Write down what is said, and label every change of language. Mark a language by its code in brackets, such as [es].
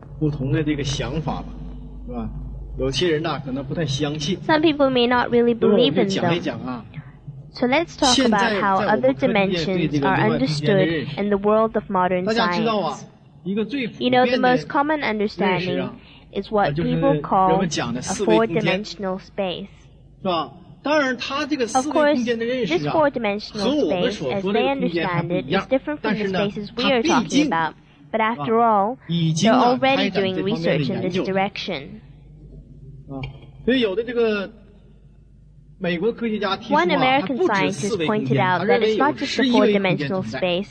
[zh] 不同的这个想法吧是吧有些人呢可能不太相信 [en] Some people may not really believe in them. [zh] 讲一讲啊 [en] So let's talk about how other dimensions are understood in the world of modern science. [zh] 大家知道啊, [en] you know, the most common understanding is what people call a four-dimensional space. [zh] 是吧? 当然它这个四维空间的认识啊, [en] this four-dimensional space, as they understand it, is different from the spaces we are talking about. But after all, they're already doing research in this direction. [zh] 所以有的这个 [en] One American scientist pointed out that it's not just a four-dimensional space.